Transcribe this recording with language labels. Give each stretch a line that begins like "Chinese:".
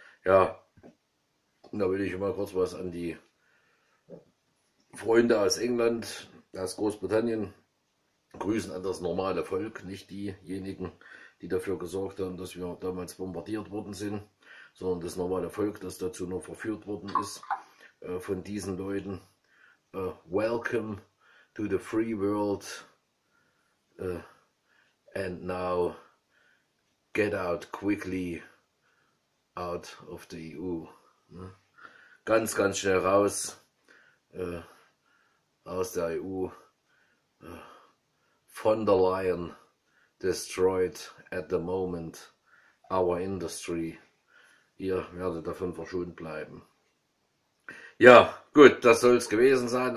German: Ja, da will ich mal kurz was an die Freunde aus England, aus Großbritannien grüßen, an das normale Volk, nicht diejenigen, die dafür gesorgt haben, dass wir damals bombardiert worden sind, sondern das normale Volk, das dazu nur verführt worden ist, von diesen Leuten.
English: Welcome to the free world, and now get out quickly out of the EU.
German: Ganz, ganz schnell raus aus der EU.
English: Von der Leyen destroyed at the moment our industry.
German: Ihr werdet davon verschont bleiben. Ja, gut, das soll es gewesen sein.